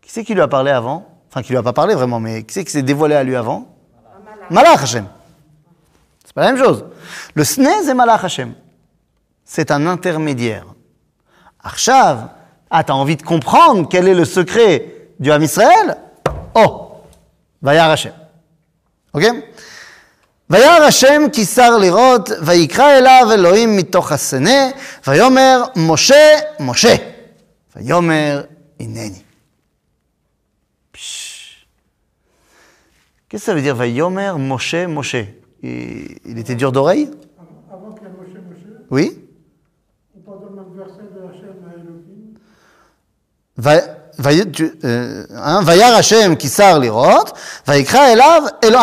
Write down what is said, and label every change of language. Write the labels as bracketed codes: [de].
[fr] Qui c'est qui lui a parlé avant ? Enfin, qui lui a pas parlé vraiment, mais qui c'est qui s'est dévoilé à lui avant ? [he] Malach [fr] Hashem. C'est pas la même chose. Le Sne, c'est Malach Hashem. C'est un intermédiaire. Arshav, ah, t'as envie de comprendre quel est le secret du Ham Israël ? Oh ! [he] Vayar Hashem. [fr] Ok ? [he] וירא השם כי שר לראות, ויקרא אליו אלוהים מתוך הסנה, ויאמר משה, משה, ויאמר הנני. [fr] Qu'est-ce que ça veut dire, [he] ויאמר משה, משה? [fr] Il était dur d'oreille? Avant qu'il y ait משה, משה? Oui. On parle d'un verset de Hachem à [he] Elohim. Vayar Hashem qui sar lirot, vaikra elav Elohim.